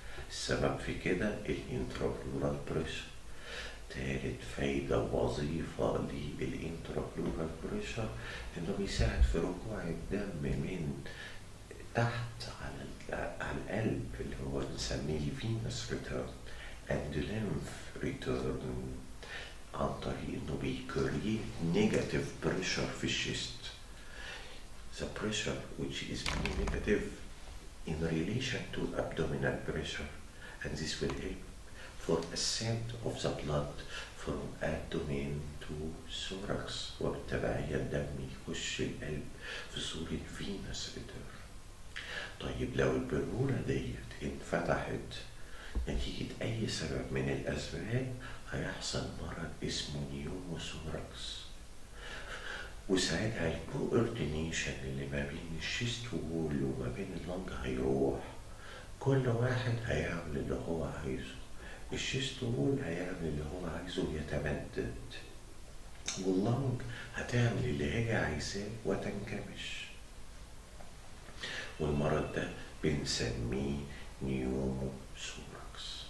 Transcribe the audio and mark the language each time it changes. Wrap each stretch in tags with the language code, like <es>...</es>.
<ar>السبب في كده الانتروبلورال بريشر. تالت فايدة وظيفة للانتروبلورال بريشر انه بيساعد في رجوع الدم من تحت على القلب اللي هو بنسميه فينوس ريتيرن اند لينف ريتيرن، عن طريق انه بيكريت نيجاتيف بريشر في الشيست.</ar> <en>The pressure which is being negative in relation to abdominal pressure and this will help for ascent of the blood from abdomen to thorax</en> <ar>وبالتبعية الدم يخش القلب في صورة</ar> <en>venous return.</en> <ar>طيب لو البرهولة ديت انفتحت نتيجة أي سبب من الأسباب هيحصل مرض اسمه نيومو ثوراكس، وساعتها الكوردينيشن اللي ما بين الشيست وول وما بين اللنج هيروح، كل واحد هيعمل اللي هو عايزه، الشيست وول هيعمل اللي هو عايزه يتمدد، واللنج هتعمل اللي هي عايزاه وتنكمش، والمرض ده بنسميه نيومو ثوراكس.</ar>